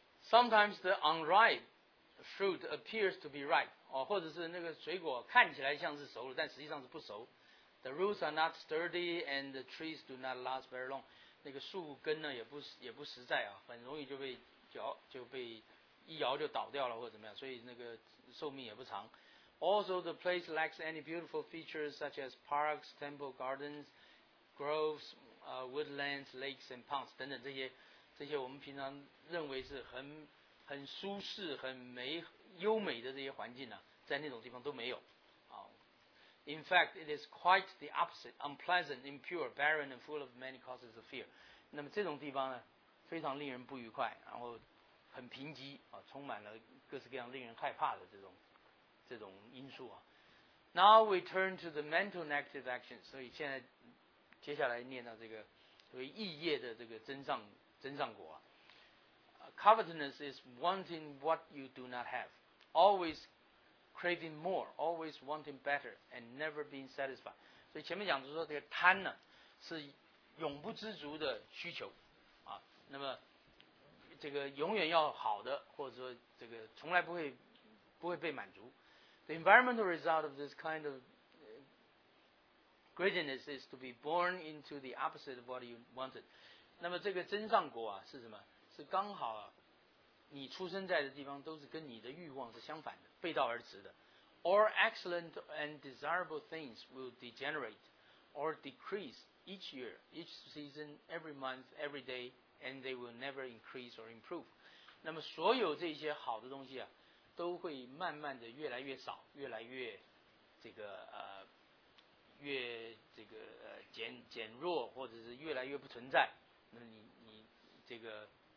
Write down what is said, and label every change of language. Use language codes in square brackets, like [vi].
[en] Sometimes the unripe fruit appears to be ripe, [zh] 哦，或者是那个水果看起来像是熟了，但实际上是不熟。 [en] The roots are not sturdy and the trees do not last very long. [zh] 那个树根呢也不实在啊，很容易就被一摇就倒掉了或者怎么样，所以那个寿命也不长。 [en] Also, the place lacks any beautiful features such as parks, temple gardens, groves. Woodlands, lakes and ponds [zh] 等等这些我们平常认为是很舒适很优美的这些环境、啊、在那种地方都没有、 [en] In fact, it is quite the opposite, unpleasant, impure, barren and full of many causes of fear. [zh] 那么这种地方呢非常令人不愉快然后很贫瘠啊，充满了各式各样令人害怕的这种因素啊。 [en] Now we turn to the mental negative action. [zh] 所以现在接下来念到这个所谓意业的这个增上果啊。 [en] Covetousness is wanting what you do not have, always craving more, always wanting better, and never being satisfied. [zh] 所以前面讲的说这个贪呢是永不知足的需求啊，那么这个永远要好的，或者说这个从来不会被满足。 [en] The environmental result of this kind of greediness is to be born into the opposite of what you wanted. [zh] 那么这个增上果啊是什么？是刚好你出生在的地方都是跟你的欲望是相反的，背道而驰的。 [en] All excellent and desirable things will degenerate or decrease each year, each season, every month, every day, and they will never increase or improve. [zh] 那么所有这些好的东西啊，都会慢慢的越来越少，越来越减弱，或者是越来越不存在。那你这个。